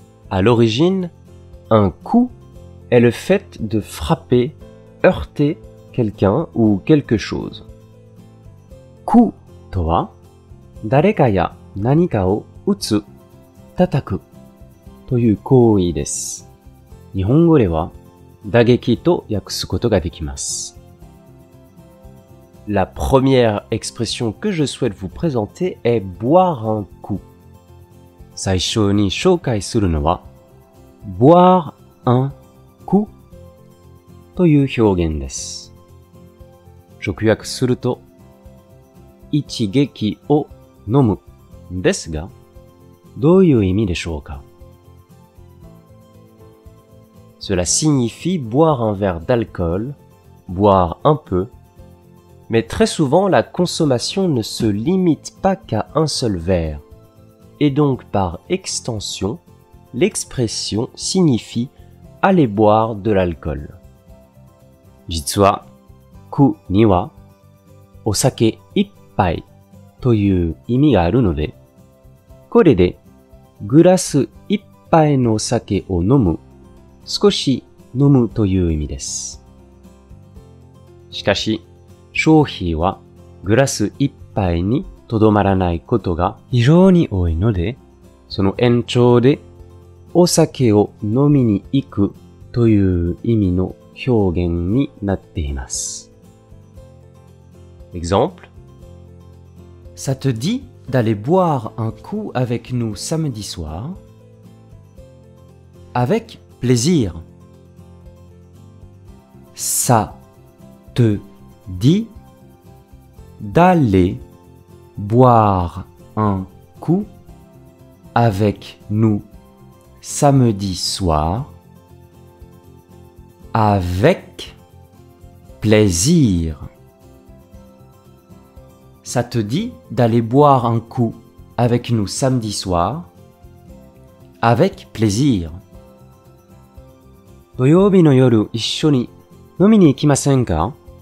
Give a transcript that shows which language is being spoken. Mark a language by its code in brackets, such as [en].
[fr] À l'origine, un coup est le fait de frapper, heurter quelqu'un ou quelque chose. [ja] coup とは、誰かや何かを打つ、叩くという行為です。日本語では打撃と訳すことができます。 [fr] La première expression que je souhaite vous présenter est boire un coup. [ja] 最初に紹介するのは boire un coup という表現です。直訳すると一撃を飲むですが、どういう意味でしょうか? [fr] Cela signifie boire un verre d'alcool, boire un peu. Mais très souvent, la consommation ne se limite pas qu'à un seul verre. Et donc, par extension, l'expression signifie « aller boire de l'alcool ». [ja] 実は、coup には、お酒一杯という意味があるので、これで、グラス一杯のお酒を飲む、少し飲むという意味です。しかし、消費はグラス一杯にとどまらないことが非常に多いので、その延長でお酒を飲みに行くという意味の表現になっています。 [fr] Exemple: Ça te dit d'aller boire un coup avec nous samedi soir? Avec plaisir. Ça te dit? D'aller boire un coup avec nous samedi soir avec plaisir. Ça te dit d'aller boire un coup avec nous samedi soir avec plaisir. [ja] 土曜日の夜一緒に飲みに行きませんか?